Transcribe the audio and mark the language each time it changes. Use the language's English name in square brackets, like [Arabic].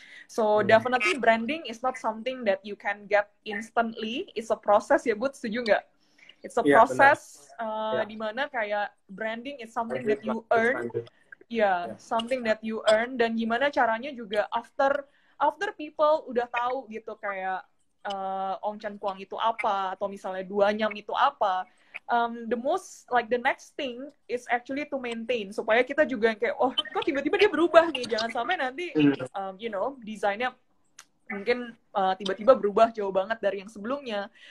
[English] So definitely branding is not something that you can get instantly. It's a process ya, Bud, [Indonesian] setuju nggak? [English] It's a process [Indonesian] di mana kayak [English] branding is something that you earn. Something that you earn. [Indonesian] Dan gimana caranya juga [English] after people [Indonesian] udah tahu gitu kayak Ong Chan Kuang itu apa atau misalnya Duanyam itu apa. [English] The most, like the next thing is actually to maintain. [Indonesian] Supaya kita juga yang kayak, oh kok tiba-tiba dia berubah nih. Jangan sampai nanti, you know, desainnya mungkin tiba-tiba berubah jauh banget dari yang sebelumnya.